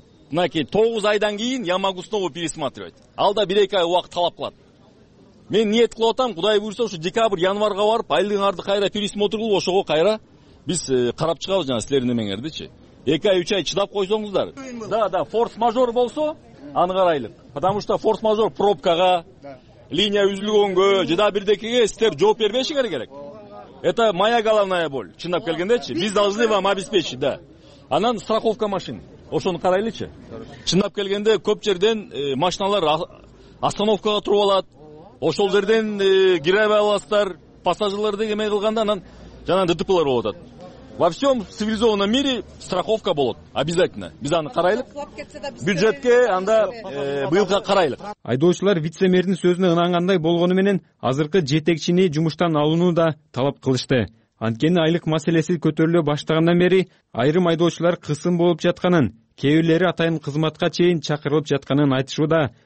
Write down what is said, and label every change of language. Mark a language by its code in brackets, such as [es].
[ky] Мынакей 9 айдан кийин [ru] я могу снова пересматривать. [ky] Ал да 1-2 ай убакыт талап кылат. Мен ниет кылып атам, кудай буюрса ушу декабрь, январга барып айлыгыңарды кайра пересмотр кылып, ошого кайра биз карап чыгабыз жана силердин эмеңердичи. 2 ай, 3 ай чыдап койсоңуздар. Да, форс-мажор болсо аны карайлык. [ru] Потому что [ky] форс-мажор пробкага, линия үзүлгөнгө же да бирдекеге силер жооп бербешиңер керек. [ru] Это моя головная боль. [ky] Чындап келгендечи, биз [ru] должны вам обеспечить, да. [ky] Анан страховка машин. Ошону карайлычы. Чындап келгенде көп жерден машиналар остановкага туруп алат. Ошол жерден кире албай аласыздар. Пассажирлерди эме кылганда анан жана ДТП-лар болуп атат. [ru] Во всем цивилизованном мире страховка болот. [ky] Обязательно. Биз аны карайлык. Бюджетке анда быйылга карайлык. Айдоочулар вице-мэрдин сөзүнө ынангандай болгону менен азыркы жетекчини жумуштан алууну да талап кылышты. Анткени айлык маселеси көтөрүлө баштагандан бери айрым айдоочулар кысым болуп жатканын, кээ бирлери атайын кызматка чейин чакырылып жатканын айтышууда.